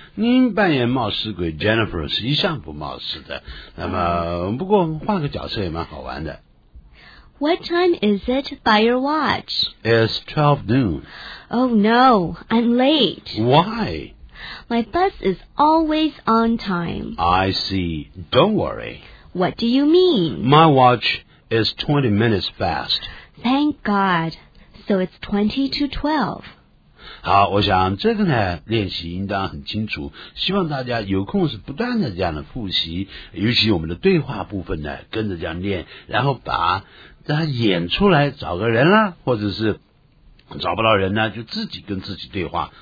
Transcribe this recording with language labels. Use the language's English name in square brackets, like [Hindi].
[Chinese] 您扮演冒失鬼 Jennifer 是一向不冒失的。那么不过换个角色也蛮好玩的。 [English] What time is it by your watch? It's 12 noon. Oh no, I'm late. Why? My bus is always on time. I see. Don't worry. What do you mean? My watch is 20 minutes fast. Thank God. So it's 20 to 12. [Chinese] 好，我想这个呢，练习应当很清楚。希望大家有空是不断的这样的复习，尤其我们的对话部分呢，跟着这样练，然后把它演出来，找个人啦，或者是找不到人呢，就自己跟自己对话。